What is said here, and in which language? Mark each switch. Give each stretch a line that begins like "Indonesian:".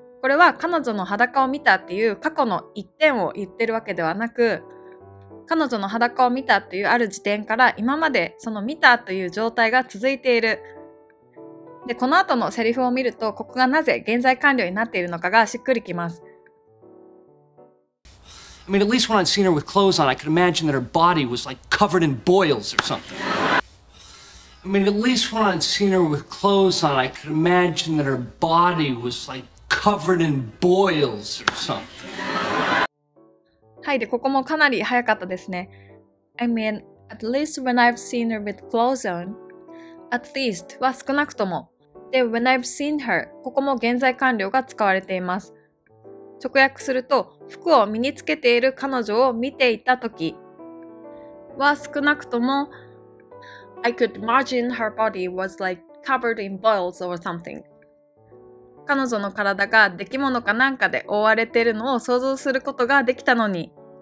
Japanese: これは、彼女の裸を見たっていう過去の一点を言ってるわけではなく、彼女の裸を見たっていうある時点から、今までその見たという状態が続いている。で、この後のセリフを見ると、ここがなぜ現在完了になっているのかがしっくりきます。
English: I mean, at least when I'd seen her with clothes on, I could imagine that her body was like covered in boils or something. I mean, at least when I'd seen her with clothes on, I could imagine that her body was like covered in boils or something.
Japanese: はい、で、ここもかなり早かったですね。
English: I mean, at least when I've seen her with clothes on, at least
Japanese: は少なくとも。で、
English: when I've seen her,
Japanese: ここも現在完了が使われています。直訳すると、服を身につけている彼女を見ていた時は少なくとも、
English: I could imagine her body was like covered in boils or something.
Japanese: 彼女の体が出来物かなんかで覆われているのを想像することができたのに。